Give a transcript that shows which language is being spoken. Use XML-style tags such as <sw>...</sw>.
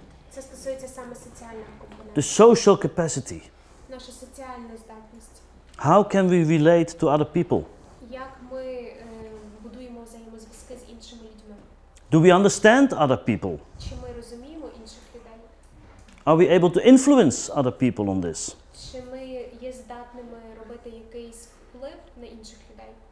<uk>Це стосується саме соціального компонента.</uk> <en>The social capacity.</en> <uk>Наша соціальна здатність.</uk> <en>How can we relate to other people?</en> <uk>Як ми будуємо взаємозв'язки з іншими людьми?</uk> <en>Do we understand other people?</en> <uk>Чи ми розуміємо інших людей?</uk> <en>Are we able to influence other people on this?</en> <uk>Чи ми є здатними робити якийсь вплив на інших людей?</uk>